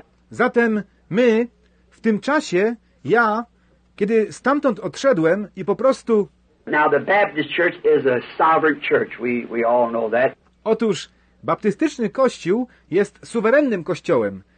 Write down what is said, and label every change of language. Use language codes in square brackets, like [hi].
[pl] Zatem my w tym czasie, ja, kiedy stamtąd odszedłem i po prostu. [en] Now the Baptist church is a sovereign church. We all know that. [pl] Otóż baptystyczny kościół jest suwerennym kościołem.